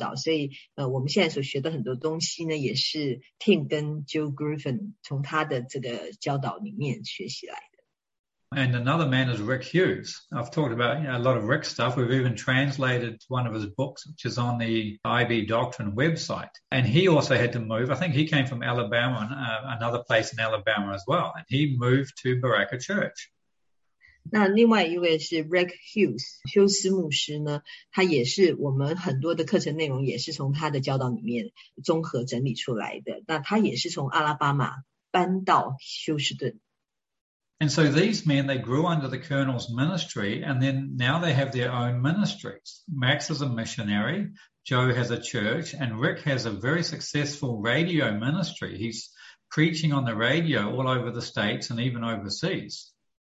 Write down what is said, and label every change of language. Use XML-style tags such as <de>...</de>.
<zh>非常非常欣赏他的教导，所以我们现在所学的很多东西呢， 也是Tim跟Joe Griffin从他的这个教导里面学习来的。</zh> <en>And another man is Rick Hughes. I've talked about, you know, a lot of Rick's stuff. We've even translated one of his books, which is on the IB Doctrine website. And he also had to move. I think he came from Alabama, another place in Alabama as well. And he moved to Baraka Church.</en> <zh>那另外一位是Rick Hughes, 休斯牧师呢, 他也是我们很多的课程内容也是从他的教导里面综合整理出来的, 那他也是从阿拉巴马搬到休斯顿。</zh> <en>And so these men, they grew under the colonel's ministry, and then now they have their own ministries. Max is a missionary, Joe has a church, and Rick has a very successful radio ministry. He's preaching on the radio all over the states and even overseas.</en>